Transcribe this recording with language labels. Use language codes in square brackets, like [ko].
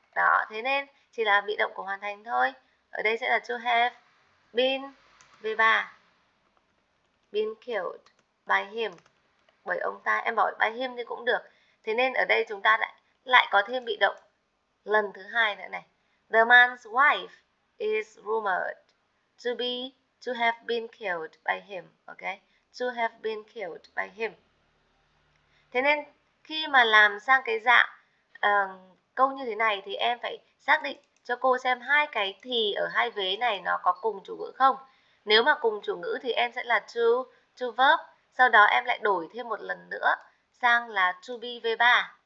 [vi] Đó, thế nên chỉ là bị động của hoàn thành thôi. Ở đây sẽ là to have been V3. [en] Been killed by him. [vi] Bởi ông ta, em bảo by him thì cũng được. Thế nên ở đây chúng ta lại có thêm bị động lần thứ hai nữa này. [en] The man's wife is rumored to be, to have been killed by him. Okay? To have been killed by him. [vi] Thế nên khi mà làm sang cái dạng câu như thế này thì em phải xác định cho cô xem hai cái thì ở hai vế này nó có cùng chủ ngữ không. Nếu mà cùng chủ ngữ thì em sẽ là to verb, sau đó em lại đổi thêm một lần nữa sang là to be V3.